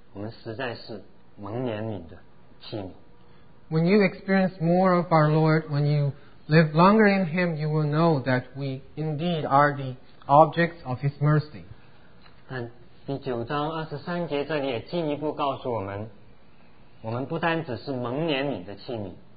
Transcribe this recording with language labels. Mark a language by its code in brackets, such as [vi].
[zh] 实在当我们与主的时间越长，你越亲近，就越发知道，我们实在是蒙怜悯的器皿。 [en] When you experience more of our Lord, when you live longer in Him, you will know that we indeed are the objects of His mercy. [zh] 但第九章二十三节这里也进一步告诉我们，我们不单只是蒙怜悯的器皿。